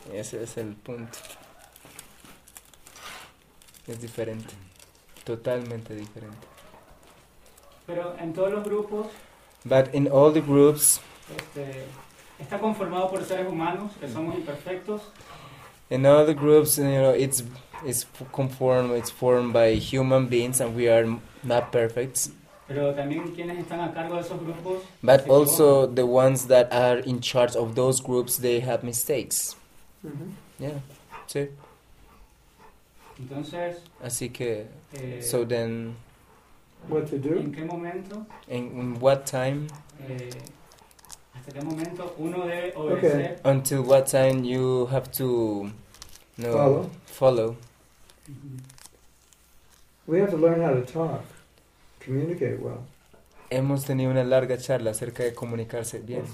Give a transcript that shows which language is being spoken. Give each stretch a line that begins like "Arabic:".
Spanish: Ese es el punto. Es diferente. Totalmente diferente. Pero en todos los grupos.
English: But in all the groups.
Spanish: Está conformado por seres humanos que somos imperfectos.
English: In all the groups, you know, it's formed by human beings, and we are not perfect.
Spanish: Pero también quienes están a cargo de esos grupos.
English: But also the ones that are in charge of those groups, they have mistakes. Mm-hmm. Yeah, sí.
Spanish: Entonces. Así que.
English: So then. What to do?
Spanish: ¿En qué momento?
English: In what time?
Spanish: Hasta qué momento uno debe obedecer. Okay.
English: Until what time you have to. No, follow. We have to learn how to talk, communicate well.
Spanish: Hemos tenido una larga charla acerca de comunicarse bien.